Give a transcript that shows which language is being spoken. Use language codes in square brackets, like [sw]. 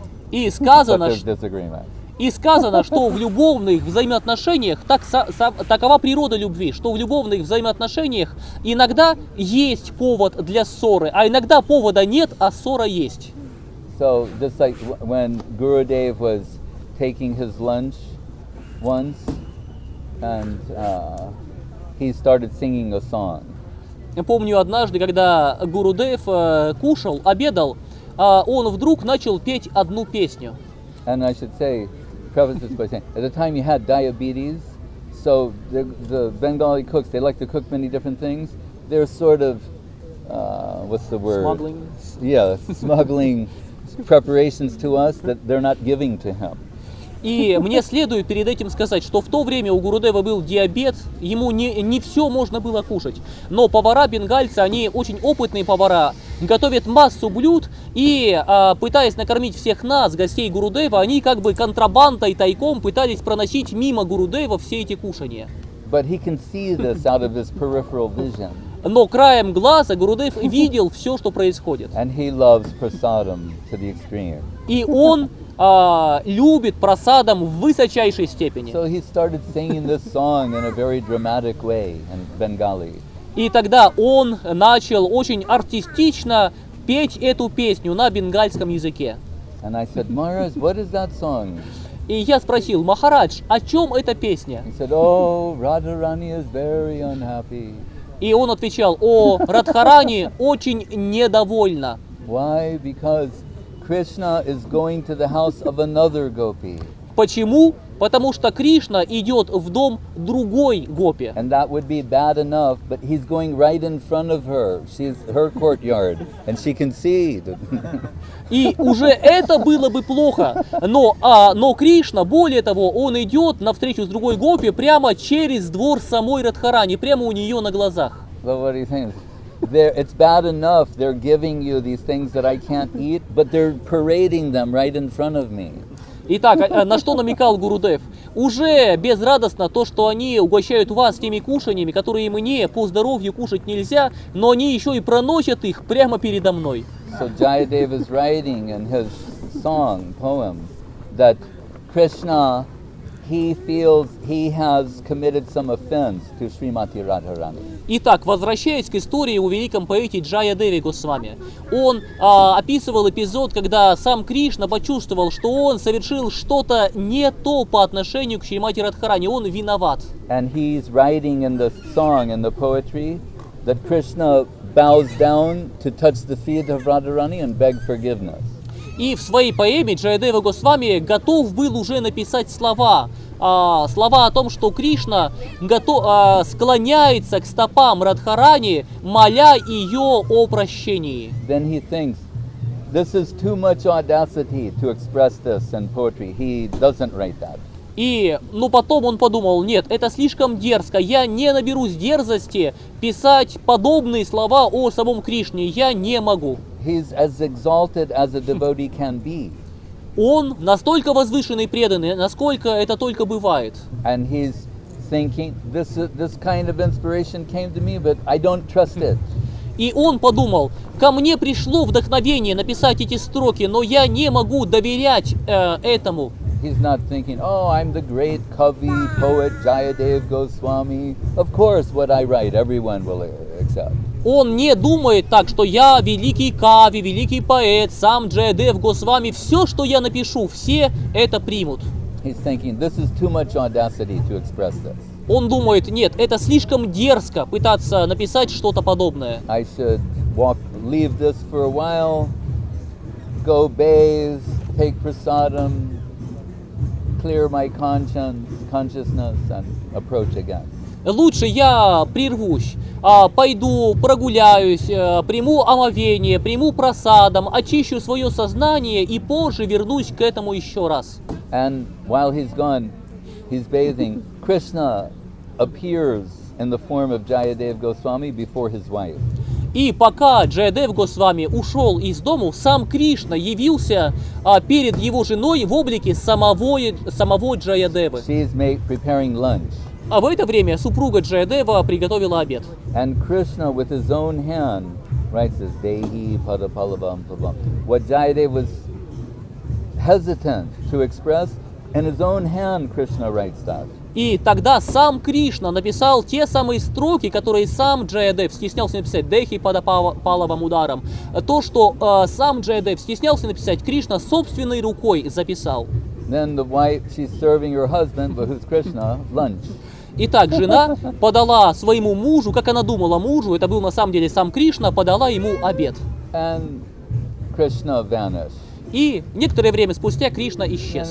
[ru] И сказано, что в любовных взаимоотношениях, такова природа любви, что в любовных взаимоотношениях иногда есть повод для ссоры, а иногда повода нет, а ссора есть. [en] So, just like when Gurudev was taking his lunch once, and he started singing a song. [ru] Помню однажды, когда Гурудев кушал, обедал, он вдруг начал петь одну песню. [en] And I should say, preface this by saying, at the time he had diabetes, so the Bengali cooks, they like to cook many different things. They're sort of, what's the word? Smuggling. Yeah, smuggling preparations to us that they're not giving to him. [ru] И мне следует перед этим сказать, что в то время у Гурудева был диабет, ему не все можно было кушать. Но повара бенгальцы, они очень опытные повара, готовят массу блюд, и пытаясь накормить всех нас, гостей Гурудева, они как бы контрабандой тайком пытались проносить мимо Гурудева все эти кушания. [en] But he can see this out of his peripheral vision. [ru] Но краем глаза Гурудев видел все, что происходит. [en] And he loves prasadam to the extreme. [ru] И он любит просадам в высочайшей степени. [en] So he started singing this song in a very dramatic way in Bengali. [ru] И тогда он начал очень артистично петь эту песню на бенгальском языке. [en] And I said, Maharaj, what is that song? [ru] И я спросил, Махарадж, о чем эта песня? [en] He said, oh, Radharani is very unhappy. [ru] И он отвечал, о, Радхарани очень недовольна. [en] Why? Because Krishna is going to the house of another gopi. [ru] Почему? Потому что Кришна идет в дом другой гопи. [en] And that would be bad enough, but he's going right in front of her. She's her courtyard, and she can see. [ru] И уже это было бы плохо, но Кришна, более того, он идет навстречу с другой гопи прямо через двор самой Радхарани, прямо у нее на глазах. [en] So what do you think? They're, it's bad enough they're giving you these things that I can't eat, but they're parading them right in front of me. [ru] Итак, на что намекал Гурудев? Уже безрадостно то, что они угощают вас теми кушаниями, которые мне по здоровью кушать нельзя, но они еще и проносят их прямо передо мной. [en] So Jayadeva is writing in his song, poem, that Krishna, he feels he has committed some offense to Srimati Radharani. [ru] Итак, возвращаясь к истории о великом поэте Джаядеве Госвами, он описывал эпизод, когда сам Кришна почувствовал, что он совершил что-то не то по отношению к Шримати Радхарани, он виноват. [en] And he's writing in the song, in the poetry, that Krishna bows down to touch the feet of Radharani and beg forgiveness. [ru] И в своей поэме Джаядева Госвами готов был уже написать слова. Слова о том, что Кришна склоняется к стопам Радхарани, моля ее о прощении. [en] Then he thinks, this is too much audacity to express this in poetry. He doesn't write that. [ru] И, ну, потом он подумал, нет, это слишком дерзко, я не наберусь дерзости писать подобные слова о самом Кришне, я не могу. [en] He's as exalted as a devotee can be. [ru] Он настолько возвышенный и преданный, насколько это только бывает. [en] And he's thinking, this kind of inspiration came to me, but I don't trust it. [ru] И он подумал, ко мне пришло вдохновение написать эти строки, но я не могу доверять этому. [en] He's not thinking, oh, I'm the great kavi, poet, Jayadev Goswami. Of course, what I write, everyone will accept. [ru] Он не думает так, что я великий кави, великий поэт, сам Джаядев Госвами. Все, что я напишу, все это примут. [en] He's thinking, this is too much audacity to express this. [ru] Он думает, нет, это слишком дерзко пытаться написать что-то подобное. [en] I should walk, leave this for a while, go bathe, take prasadam, clear my consciousness and approach again. [ru] Лучше я прервусь, пойду прогуляюсь, приму омовение, приму прасадам, очищу свое сознание и позже вернусь к этому еще раз. [en] And while he's gone, he's bathing, Krishna appears in the form of Jayadev Goswami before his wife. [ru] И пока Джаядев Госвами ушел из дому, сам Кришна явился перед его женой в облике самого Джаядевы. [en] She's preparing lunch. [ru] А в это время супруга Джаядева приготовила обед. [en] And Krishna with his own hand writes this [sa] Dehi Padapalabham Pabham. [en] What Jayadev was hesitant to express, in his own hand Krishna writes that. [ru] И тогда сам Кришна написал те самые строки, которые сам Джаядев стеснялся написать, [sa] Дехи Падапалабам ударом. [ru] То, что сам Джаядев стеснялся написать, Кришна собственной рукой записал. [en] Then the wife, she's serving her husband, but who's Krishna, lunch. [ru] Итак, жена подала своему мужу, как она думала мужу, это был на самом деле сам Кришна, подала ему обед. [en] And Krishna vanished. [ru] И некоторое время спустя Кришна исчез.